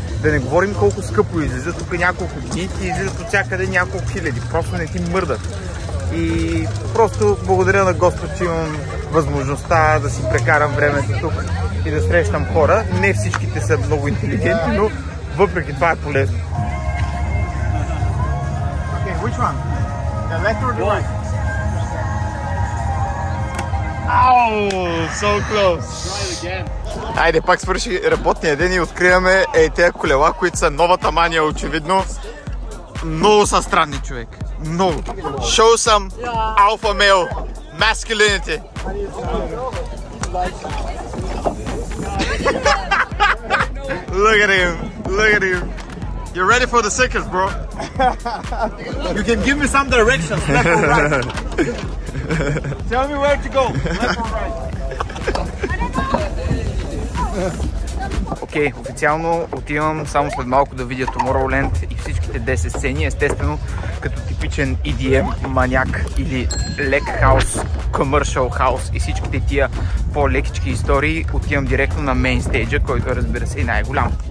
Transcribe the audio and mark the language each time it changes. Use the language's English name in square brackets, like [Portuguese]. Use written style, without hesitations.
[Bulgarian] Да не говорим колко скъпо излизат, тук няколко дни ти излизат от всякъде няколко хиляди, просто не ти мърдат. и просто благодаря на Господ, че имам възможността да си прекарам времето тук и да срещам хора. Не всичките са много интелигентни, но въпреки това е полезно. [English] Okay, which one? The left or the right? Ау, so close! [Bulgarian] Айде, пак свърши работния ден и откриваме ей тези колела, които са новата мания, очевидно. Много са странни, човек. Много. Шоу съм Alpha Male. [English] Masculinity. Look at him. Look at him. You're ready for the circus, bro. You can give me some directions. Left or right. Tell me where to go. Left or right. [Bulgarian] Окей, официално отивам само след малко да видя Tomorrowland и всичките 10 сцени. Естествено, като типичен EDM маняк или лек хаус, commercial house и всичките тия по-лекички истории, отивам директно на мейнстейджа, който разбира се и най-голям.